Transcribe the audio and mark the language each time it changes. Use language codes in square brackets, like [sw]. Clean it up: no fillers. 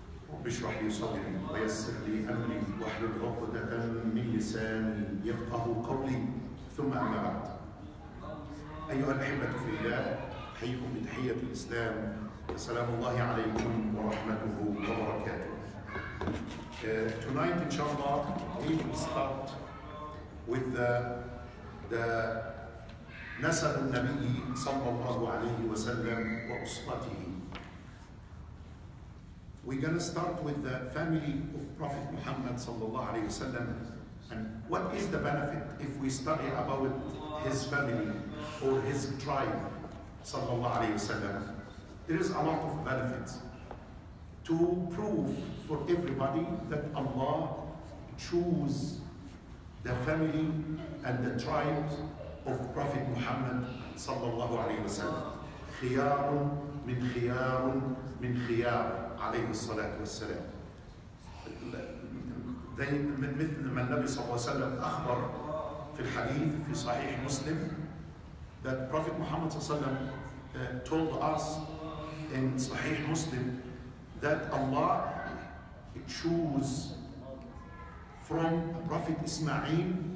[ar] وبشرح لي صدري ويسر لي أمري واحلل عقدة من لساني يفقه قولي. ثم أما بعد، أيها الأحبة في الله، أحييكم بتحية الإسلام. السلام الله عليكم ورحمته وبركاته. [en] Tonight, inshallah, we will start with the [ar] نسب النبي صلى الله عليه وسلم وأسرته. [en] We're going to start with the family of Prophet Muhammad [ar] صلى الله عليه وسلم. [en] And what is the benefit if we study about his family or his tribe [ar] صلى الله عليه وسلم؟ [en] There is a lot of benefits to prove for everybody that Allah choose the family and the tribe of Prophet Muhammad [ar] صلى الله عليه وسلم. خيار من خيار من خيار عليه الصلاة والسلام. مثل ما النبي صلى الله عليه وسلم أخبر في الحديث في صحيح مسلم [en] that Prophet Muhammad [ar] صلى الله عليه وسلم [en] told us in [ar] صحيح مسلم [en] that Allah choose from Prophet Ismail